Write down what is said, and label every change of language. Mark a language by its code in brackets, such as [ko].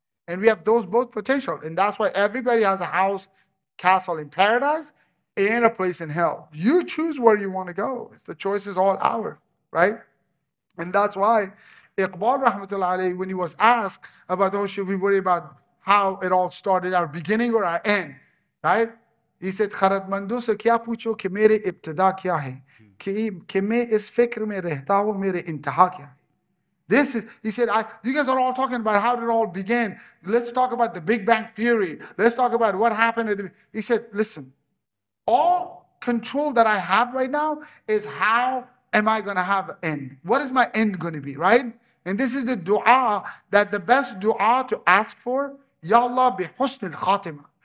[en] And we have those both potential. And that's why everybody has a house, castle in paradise and a place in hell. You choose where you want to go. It's the choice is all ours, right? And that's why Iqbal rahmatullah alayhi, when he was asked about, oh, should we worry about how it all started, our beginning or our end, right? He said, [ur] خردمندو سے کیا پوچھو کہ میرے ابتدا کیا ہے کہ میں اس فکر میں رہتا ہوں میرے انتہا کیا ہے. [en] This is, he said, you guys are all talking about how it all began. Let's talk about the Big Bang Theory. Let's talk about what happened. He said, listen, all control that I have right now is how am I going to have an end? What is my end going to be, right? And this is the dua that the best dua to ask for, [ar] Ya Allah bi husnil khatima.